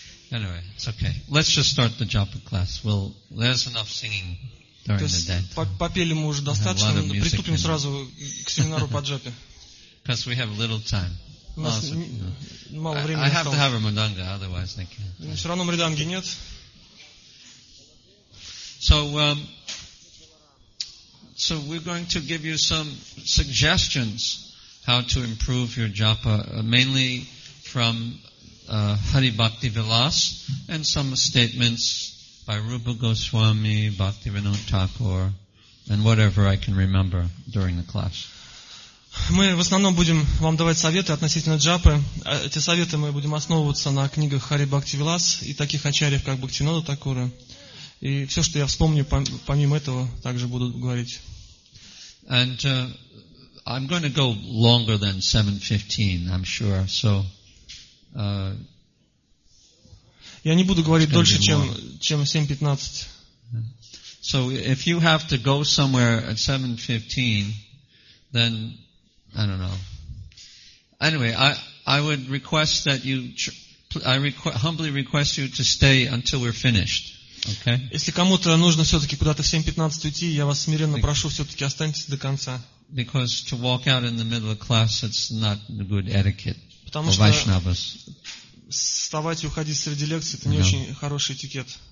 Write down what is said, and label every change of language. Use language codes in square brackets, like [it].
[en] Anyway, it's okay. Let's just start the Japa class. Well, there's enough singing during the day. [ru] Попели мы уже достаточно, приступим сразу к семинару по Japa. [en] Because we have little time. [ru] Мало времени осталось. [en] I have to have a mridanga, otherwise they can't. [ru] Все равно мриданги нет. [en] So we're going to give you some suggestions how to improve your Japa, mainly from Hari Bhakti Vilas and some statements by Rupa Goswami, Bhakti Vinod Thakur, and whatever I can remember during the class. [ru] Мы в основном будем вам давать советы относительно джапы. Эти советы мы будем основываться на книгах Хари Бхакти Вилас и таких ачарьев, как Бхактивинода Такура. И все, что я вспомню, помимо этого, также буду говорить. [en] And I'm going to go longer than 7:15, I'm sure. So [ru] Я не буду говорить дольше, чем 7:15. [en] So if you have to go somewhere at 7:15, then I don't know. Anyway, I would request that you humbly request you to stay until we're finished. Okay? [ru] Если кому-то нужно все-таки куда-то в 7:15 уйти, я вас смиренно прошу, все-таки останьтесь до конца. [en] Because to walk out in the middle of class, it's not good etiquette. [ru] Потому что вставать и уходить среди лекций — это не очень хороший этикет.